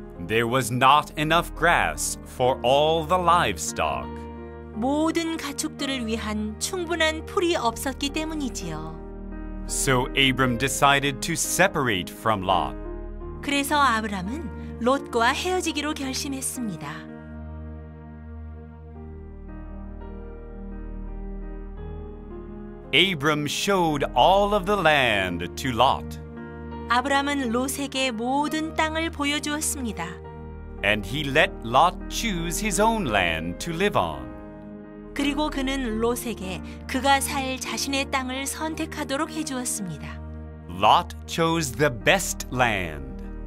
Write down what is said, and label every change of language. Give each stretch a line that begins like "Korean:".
English: There was not enough grass for all the livestock.
Korean: 모든 가축들을 위한 충분한 풀이 없었기 때문이지요.
English: So Abram decided to separate from Lot.
Korean: 그래서 아브람은 롯과 헤어지기로 결심했습니다.
English: Abram showed all of the land to Lot.
Korean: 아브람은 롯에게 모든 땅을 보여주었습니다.
English: And he let Lot choose his own land to live on.
Korean: 그리고 그는 롯에게 그가 살 자신의 땅을 선택하도록 해주었습니다.
English: Lot chose the best land.